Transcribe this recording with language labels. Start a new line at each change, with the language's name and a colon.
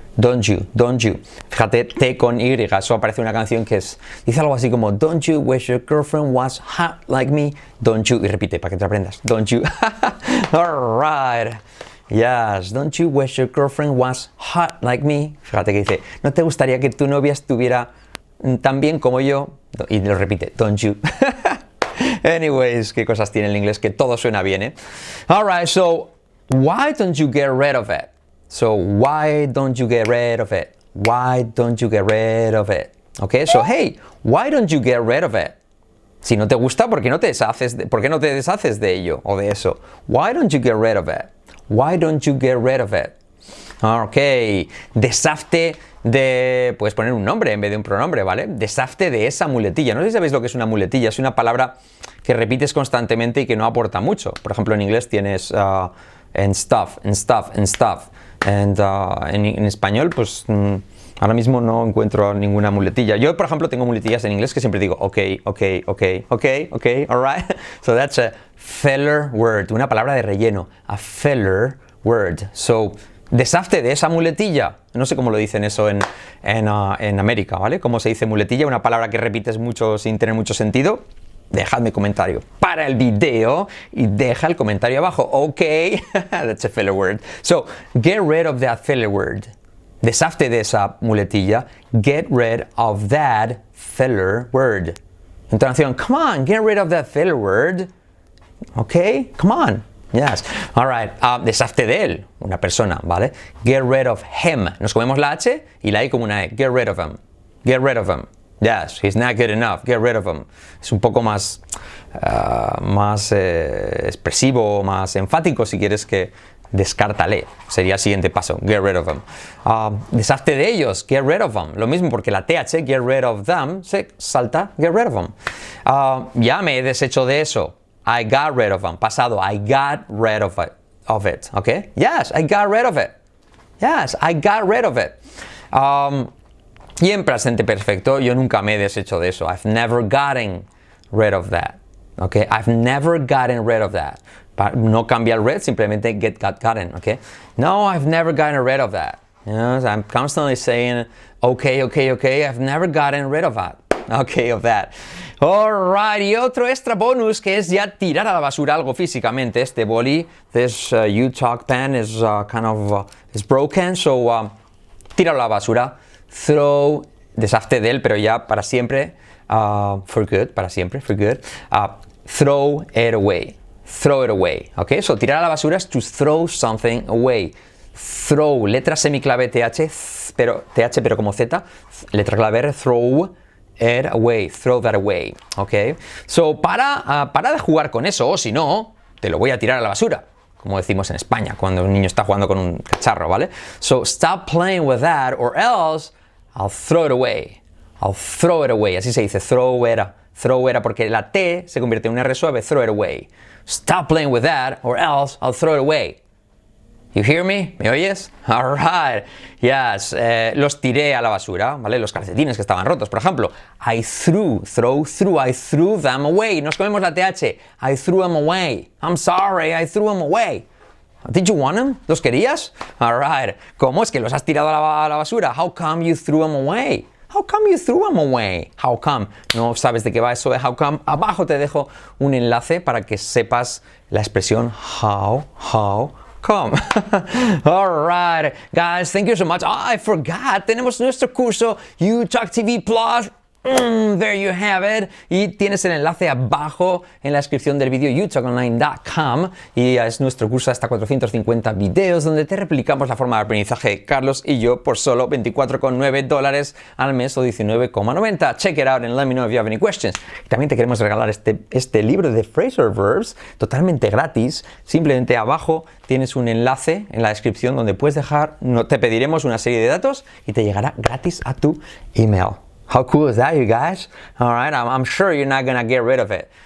English: Don't you, don't you.
Spanish: Fíjate, T con Y, eso aparece una canción que es, dice algo así como
English: Don't you wish your girlfriend was hot like me? Don't you,
Spanish: y repite para que te aprendas.
English: Don't you. Alright. Yes, don't you wish your girlfriend was hot like me?
Spanish: Fíjate que dice, ¿no te gustaría que tu novia estuviera tan bien como yo? Y lo repite,
English: don't you. Anyways,
Spanish: qué cosas tiene el inglés, que todo suena bien, ¿eh?
English: Alright, so, why don't you get rid of it? So, why don't you get rid of it? Why don't you get rid of it? Okay, so, hey, why don't you get rid of it?
Spanish: Si no te gusta, ¿por qué no te deshaces de, por qué no te deshaces de ello o de eso?
English: Why don't you get rid of it? Why don't you get rid of it?
Spanish: Ok, deshazte de... Puedes poner un nombre en vez de un pronombre, ¿vale? Deshazte de esa muletilla. No sé si sabéis lo que es una muletilla. Es una palabra que repites constantemente y que no aporta mucho. Por ejemplo, en inglés tienes
English: and stuff, and stuff, and stuff.
Spanish: And en español, pues ahora mismo no encuentro ninguna muletilla. Yo, por ejemplo, tengo muletillas en inglés que siempre digo
English: ok, ok, ok, ok, ok, alright. So that's a filler word,
Spanish: una palabra de relleno.
English: A filler word.
Spanish: So, deshazte de esa muletilla. No sé cómo lo dicen eso en América, ¿vale? ¿Cómo se dice muletilla? Una palabra que repites mucho sin tener mucho sentido. Dejadme comentario para el video y deja el comentario abajo.
English: Ok, that's a filler word. So, get rid of that filler word.
Spanish: Deshazte de esa muletilla.
English: Get rid of that filler word. Entonación, come on, get rid of that filler word. Ok, come on. Yes. All right.
Spanish: Deshazte de él, una persona, ¿vale?
English: Get rid of him.
Spanish: Nos comemos la H y la I como una E.
English: Get rid of him. Get rid of him. Yes, he's not good enough. Get rid of him.
Spanish: Es un poco más, más expresivo, más enfático, si quieres, que descártale. Sería el siguiente paso.
English: Get rid of him.
Spanish: Deshazte de ellos.
English: Get rid of them.
Spanish: Lo mismo porque la TH,
English: get rid of them,
Spanish: se salta.
English: Get rid of them.
Spanish: Ya me he deshecho de eso.
English: I got rid of them.
Spanish: Pasado.
English: I got rid of it. Of it. Okay? Yes, I got rid of it. Yes, I got rid of it.
Spanish: Y en presente perfecto, yo nunca me he deshecho de eso.
English: I've never gotten rid of that. Okay? I've never gotten rid of that. But
Spanish: no cambia el red, simplemente
English: get gotten. Okay? No, I've never gotten rid of that. You know, so I'm constantly saying, okay, okay, okay, I've never gotten rid of that. Okay, of that.
Spanish: Alright, y otro extra bonus que es ya tirar a la basura algo físicamente. Este boli,
English: this U-Talk pen is is broken, so
Spanish: tira a la basura. Throw, deshazte de él, pero ya para siempre.
English: For good,
Spanish: para siempre,
English: for good. Throw it away. Throw it away.
Spanish: Okay, so tirar a la basura is
English: to throw something away.
Spanish: Throw, letra semiclave TH, pero TH pero como Z, letra clave R, throw.
English: It away, throw that away, ok.
Spanish: So, para de jugar con eso, o si no, te lo voy a tirar a la basura, como decimos en España, cuando un niño está jugando con un cacharro, ¿vale?
English: So, stop playing with that, or else, I'll throw it away. I'll throw it away,
Spanish: así se dice,
English: throw it, throw it,
Spanish: porque la T se convierte en una R suave,
English: throw it away. Stop playing with that, or else, I'll throw it away. You hear me?
Spanish: ¿Me oyes?
English: All right. Yes.
Spanish: Los tiré a la basura, ¿vale? Los calcetines que estaban rotos, por ejemplo.
English: I threw, throw, threw, I threw them away.
Spanish: Nos comemos la TH.
English: I threw them away. I'm sorry, I threw them away. Did you want them?
Spanish: ¿Los querías?
English: All right.
Spanish: ¿Cómo es que los has tirado a la basura?
English: How come you threw them away? How come you threw them away? How come?
Spanish: No sabes de qué va eso de
English: how come.
Spanish: Abajo te dejo un enlace para que sepas la expresión how.
English: Come. All right, guys, thank you so much. Oh, I forgot.
Spanish: Tenemos nuestro curso U-Talk TV Plus.
English: There you have it.
Spanish: Y tienes el enlace abajo en la descripción del vídeo utalkonline.com. Y es nuestro curso de hasta 450 videos donde te replicamos la forma de aprendizaje Carlos y yo por solo $24.90 al mes o $19.90.
English: Check it out and let me know if you have any questions.
Spanish: Y también te queremos regalar este libro de Phrasal Verbs totalmente gratis. Simplemente abajo tienes un enlace en la descripción donde puedes dejar, no, te pediremos una serie de datos y te llegará gratis a tu email.
English: How cool is that, you guys? All right, I'm sure you're not gonna get rid of it.